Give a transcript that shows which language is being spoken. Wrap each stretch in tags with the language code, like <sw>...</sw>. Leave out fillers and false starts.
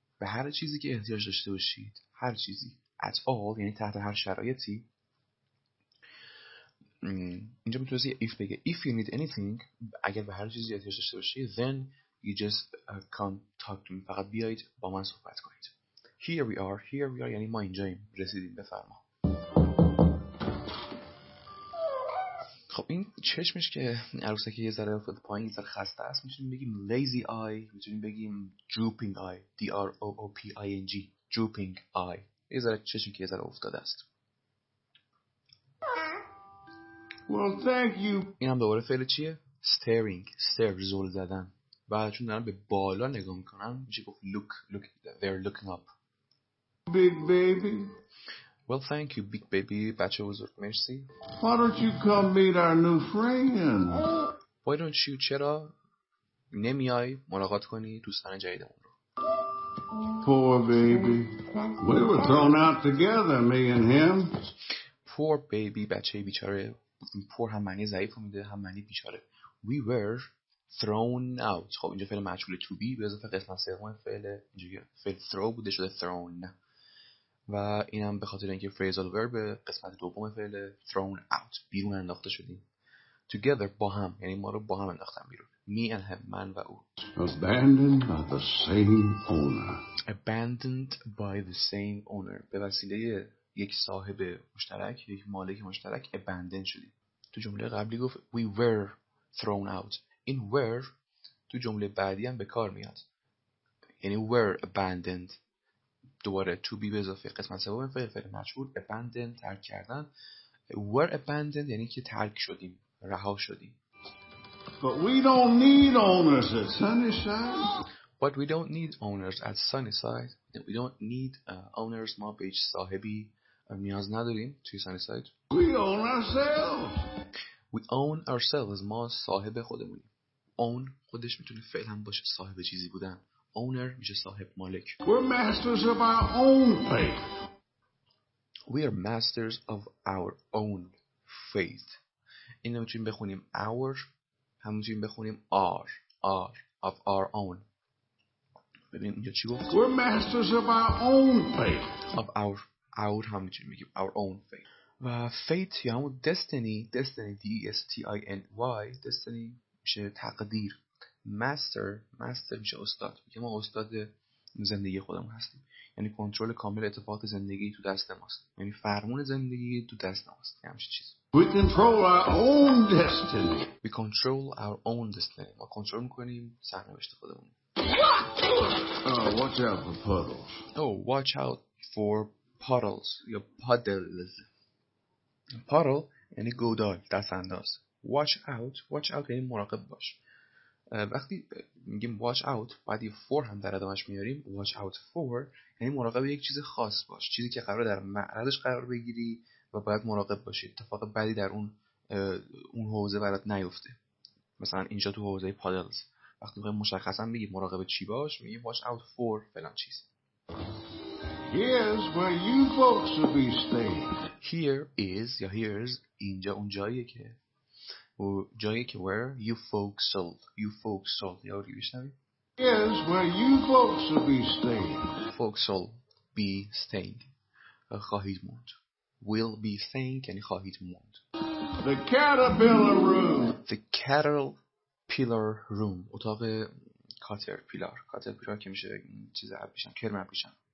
<fa>به هر چیزی که احتیاج داشته باشید. هر چیزی.</fa> <en>At all</en> <fa>یعنی تحت هر شرایطی. اینجا میتونستی if بگه</fa> <en>if you need anything</en> <fa>اگر به هر چیزی احتیاج داشته باشی</fa> <en>then you just come talk to me</en> <fa>فقط بیایید با من صحبت کنید.</fa> <en>Here we are, here we are</en> <fa>یعنی ما اینجاییم، رسیدیم، بفرما. خب این چشمش که عروسکی یه ذره افتاد پایین، یه ذره خسته است، میتونیم بگیم lazy eye، میتونیم بگیم drooping eye D-R-O-O-P-I-N-G drooping eye، یه ذره چشمی که یه ذره افتاده است.</fa> <en>Well, thank you.</en> <fa>این هم دوباره فعل چیه؟ Staring. Stare. زول زدن. بعد چون دارن به بالا نگاه میکنن میشه گفت look.</fa> <en>Look. They're looking up. Big baby. Well, thank you, big baby.</en> <fa>بچه بزرگ. مرسی.</fa> <en>Why don't you come meet our new friend? Why don't you?</en> <fa>چرا نمیای ملاقات کنی دوستان جدیدمون رو؟</fa> <en>Poor baby. We were thrown out together, me and him. Poor baby.</en> <fa>بچه بیچاره. پور هم معنی ضعیف رو میده، هم معنی بیچاره.</fa> <en>We were thrown out.</en> <fa>خب اینجا فعل مجهول to be به اضافه قسمت سوم فعل فعل throw بوده شده thrown. و اینم به خاطر اینکه phrasal verb قسمت دوم فعل thrown out بیرون انداخته شدیم. Together با هم، یعنی ما رو با هم انداختن بیرون.</fa> <en>Me and him،</en> <fa>من و او.</fa> <en>Abandoned by the same owner. Abandoned by the same owner.</en> <fa>به وسیله یک صاحب مشترک، یک مالک مشترک abandon شدیم. تو جمله قبلی گفت</fa> <en>we were thrown out.</en> <fa>این were تو جمله بعدی هم به کار میاد.</fa> <en>یعنی were abandoned.</en> <fa>دوباره to be به اضافه قسمت سوم فعل فعل مجهول abandon ترک کردن.</fa> <en>Were abandoned</en> <fa>یعنی که ترک شدیم، رها شدیم.</fa> <en>But we don't need owners at Sunnyside. But we don't need owners at Sunnyside. We don't need owners.</en> <fa>ما به هیچ صاحبی نیاز نداریم توی Sunnyside.</fa> <en>We own ourselves. We own ourselves.</en> <fa>ما صاحب خودمونیم. Own خودش میتونه فعل هم باشه، صاحب چیزی بودن. Owner میشه صاحب، مالک.</fa> <en>We're masters of our own faith. We are masters of our own faith.</en> <fa>این نمیتونیم بخونیم our، همونجوریم بخونیم our.</fa> <en>Our of our own.</en> <fa>ببینیم اینجا چی گفت.</fa> <en>We're masters of our own faith. Of our out</en> <fa>هم میتونیم بگیم</fa> <en>our own fate.</en> <fa>و fate یا همون destiny، destiny D-E-S-T-I-N-Y destiny میشه تقدیر. master، master میشه استاد، میگه ما استاد زندگی خودمون هستیم، یعنی کنترل کامل اتفاقات زندگی تو دست ماست، یعنی فرمون زندگی تو دست ماست، یعنی همچین چیز.</fa> <en>We control our own destiny. We control our own destiny.</en> <fa>ما کنترل میکنیم سرنوشت خودمون.</fa> <en>Watch out for puddles. Oh, watch out for puddles یا puddles.</en> <fa>Puddle یعنی گودال، دست انداز.</fa> <en>Watch out، watch out</en> <fa>یعنی مراقب باش. وقتی میگیم watch out بعد یه for هم در ادامش میاریم، watch out for یعنی مراقب یک چیز خاص باش، چیزی که قرار در معرضش قرار بگیری و باید مراقب باشی اتفاق بعدی در اون حوزه برات نیفته. مثلا اینجا تو حوزه puddles وقتی میخوایم مشخصا بگیم مراقب چی باش، میگیم watch out for فلان چیز.</fa> <en>Here's where you folks will be staying.</en> <fa>Here is یا here's اینجا اون جاییه که و جایی که</fa> <en>where you folks will</en> <fa>you folks will یا روی بیشتری.</fa> <en>Here's where you folks will be staying. Folks will be staying.</en> <fa>خواهید موند.</fa> <en>Will be staying</en> <fa>یعنی خواهید موند.</fa> <en>The caterpillar room. The caterpillar room.</en> <fa>اتاق caterpillar. Caterpillar که میشه چیز عبیشم، کرم عبیشم.</fa>